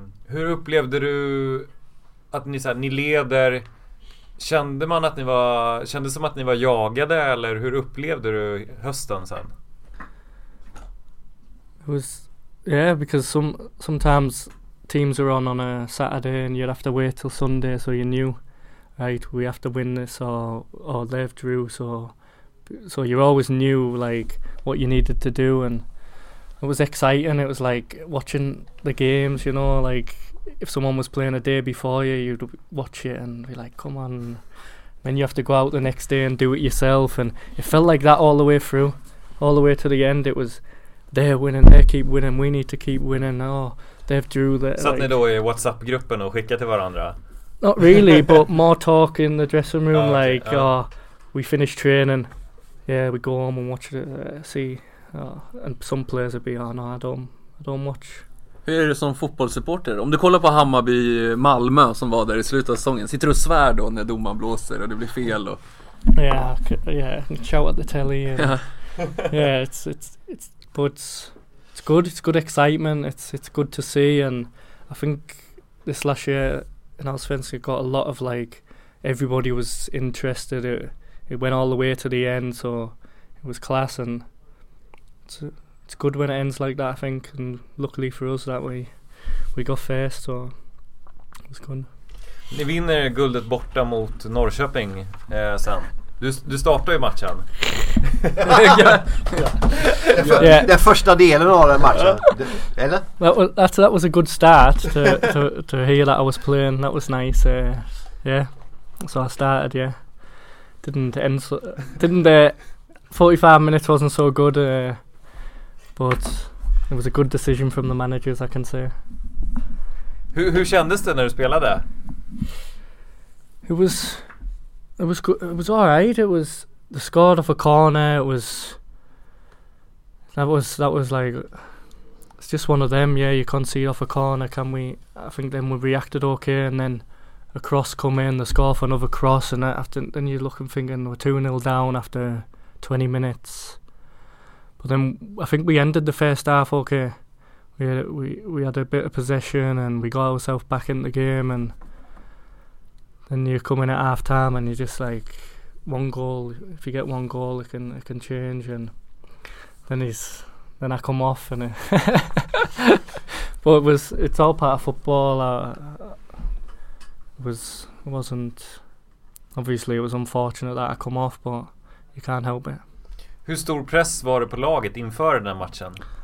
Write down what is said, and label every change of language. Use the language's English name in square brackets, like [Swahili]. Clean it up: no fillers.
[Swedish] Hur upplevde du att ni leder Kände man att ni var, kände som att ni var jagade, eller hur upplevde du hösten sen? [English] It was, yeah, because sometimes teams are on a Saturday and you'd have to wait till Sunday, so you knew, right, we have to win this, or they've drew, so you always knew like what you needed to do, and it was exciting. It was like watching the games, you know, like if someone was playing a day before you, you'd watch it and be like, come on. Then you have to go out the next day and do it yourself, and it felt like that all the way through, all the way to the end. It was, they're winning, they keep winning, we need to keep winning. Oh, they've drew the, [Swedish] satt like, ni då i WhatsApp-gruppen och skickade till varandra? [English] Not really, but more talk in the dressing room, oh, like, okay, oh, we finished training, yeah, we go home and watch it, see. And some players would be, oh, no, I don't watch. [Swedish] Hur är det som fotbollssupporter? Om du kollar på Hammarby Malmö som var där i slutet av säsongen, sitter du och svär då när domaren blåser och det blir fel? Och... [English] Yeah, shout at the telly. And, it's but it's good. It's good excitement. It's good to see. And I think this last year in Allsvenskan got a lot of, like, everybody was interested. It went all the way to the end, so it was class. And it's good when it ends like that, I think. And luckily for us that we got first, so it was good. [Swedish] Ni vinner guldet borta mot Norrköping sen. Du startar ju matchen. Den första delen av den matchen. Eller? [English] That was a good start to hear that I was playing. That was nice. So I started, yeah. Didn't 45 minutes wasn't so good. But it was a good decision from the managers, I can say. Hur kändes det när du spelade? It was all right. It was the score of a corner. It was like, it's just one of them. Yeah, you concede off a corner. Can we? I think then we reacted okay, and then a cross come in, the score for another cross, and after then you look and thinking we're 2-0 down after 20 minutes. But then I think we ended the first half okay. We had a bit of possession and we got ourselves back in the game. And then you come in at half time and you're just like, one goal, if you get one goal, it can change. And then I come off and it but it's all part of football. It wasn't obviously, it was unfortunate that I come off, but you can't help it. [Swedish] Hur stor press var det på laget inför den här matchen?